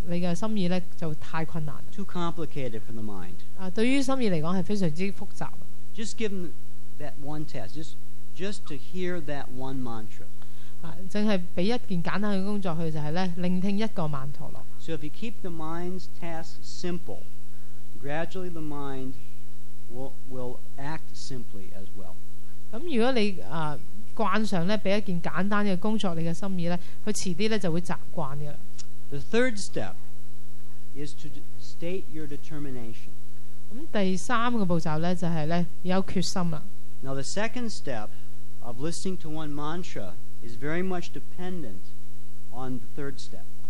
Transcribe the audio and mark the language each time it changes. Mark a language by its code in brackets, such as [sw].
[zh] 如果你给这件工作你的心意就太困难了。 [en] Too complicated for the mind. [zh] 对于心意来说是非常复杂的。 [en] Just give them that one task, just to hear that one mantra. [zh] 只是给一件简单的工作去就是聆听一个曼陀罗。 [en] So if you keep the mind's task simple, gradually the mind will act simply as well. [zh] 如果你慣常給一件簡單的工作你的心意它遲些就會習慣的了。 [en] The third step is to state your determination. [zh] 第三個步驟就是有決心了。 [en] Now the second step of listening to one mantra is very much dependent on the third step.